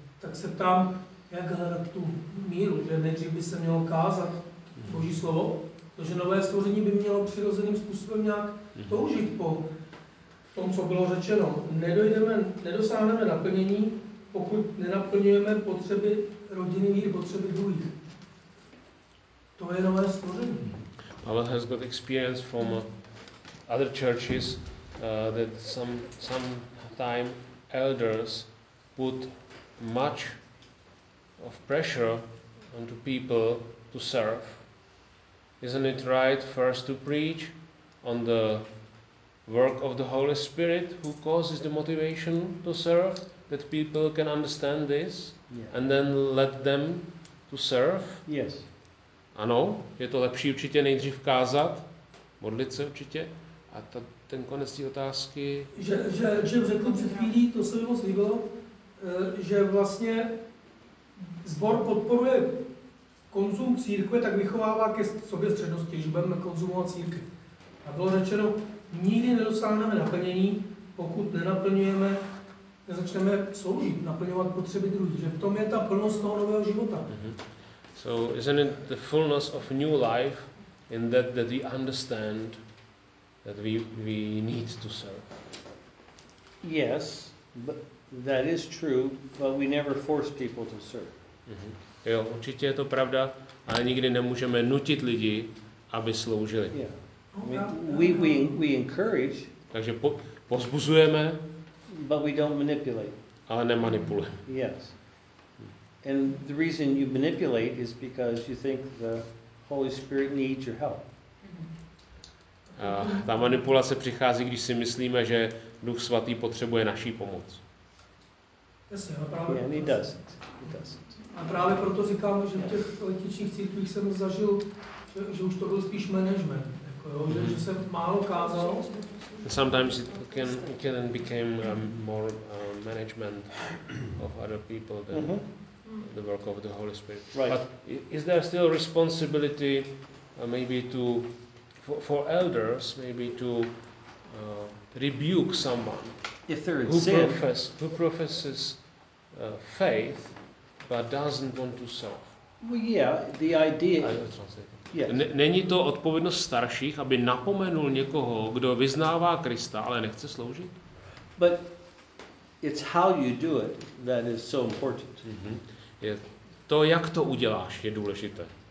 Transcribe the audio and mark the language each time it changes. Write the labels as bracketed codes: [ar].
[cs] Tak se ptám, jak hledat tu míru, že nejdřív by se mělo kázat Boží slovo, protože nové stvoření by mělo přirozeným způsobem nějak toužit po tom, co bylo řečeno. Nedosáhneme naplnění, pokud nenaplňujeme potřeby rodiny víry, potřeby druhých. To je nové stvoření. [en] Pavel has got experience from other churches that sometime elders put much of pressure onto people to serve. Isn't it right first to preach on the work of the Holy Spirit who causes the motivation to serve, that people can understand this, yeah, and then let them to serve? Yes. [cs] Ano, je to lepší určitě nejdřív kázat, modlit se určitě. A ta, ten konec té otázky... Že řekl před chvílí, to se mi moc líbilo, že vlastně sbor podporuje konzum církve, tak vychovává ke sobě střednosti, že budeme konzumovat církve. A bylo řečeno, nikdy nedosáhneme naplnění, pokud nenaplňujeme, nezačneme sloužit, naplňovat potřeby druhých. Že v tom je ta plnost toho nového života. Mm-hmm. [en] So isn't it the fullness of new life in that that we understand that we need to serve? Yes, but that is true, but we never force people to serve. Mm-hmm. [cs] Jo, určitě je to pravda, ale nikdy nemůžeme nutit lidi, aby sloužili. [en] Yeah. We encourage. [cs] Takže pozbuzujeme, [en] but we don't manipulate. [cs] Ale nemanipulujeme. [en] Yes. And the reason you manipulate is because you think the Holy Spirit needs your help. [cs] Ta manipulace přichází, když si myslíme, že Duch Svatý potřebuje naší pomoc. Jasně, a právě [en] yeah, [cs] proto... [en] He doesn't. [cs] A právě proto říkám, že v těch letičních církvích jsem zažil, že už to byl spíš management, jako jo, mm-hmm, že se málo kázalo. [en] Sometimes it can become more management of other people than mm-hmm the work of the Holy Spirit. Right. But is there still responsibility maybe to for elders maybe to rebuke someone if there is who professes faith but doesn't want to serve? Well, yeah, the idea [cs] Není to odpovědnost starších, aby napomenul někoho, kdo vyznává Krista, ale nechce sloužit? [en] But it's how you do it that is so important. Mm-hmm. [cs] Je to, jak to uděláš, je důležité.